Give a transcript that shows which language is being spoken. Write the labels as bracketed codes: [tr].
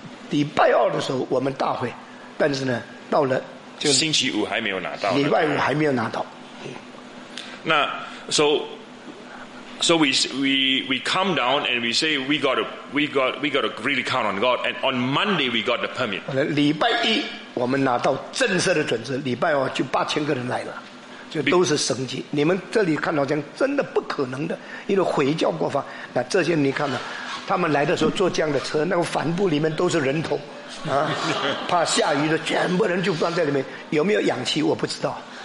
[zh] 礼拜二的时候我们大会，但是呢，到了就星期五还没有拿到。礼拜五还没有拿到。 [en] 那 So we come down and we say we got to really count on God. And on Monday we got the permit. [zh] 礼拜一我们拿到正式的准字，礼拜二就8000个人来了，就都是神迹。你们这里看到这样真的不可能的，因为回教国法。那这些你看到，他们来的时候坐这样的车，那个帆布里面都是人头啊，怕下雨的全部人就放在里面，有没有氧气我不知道。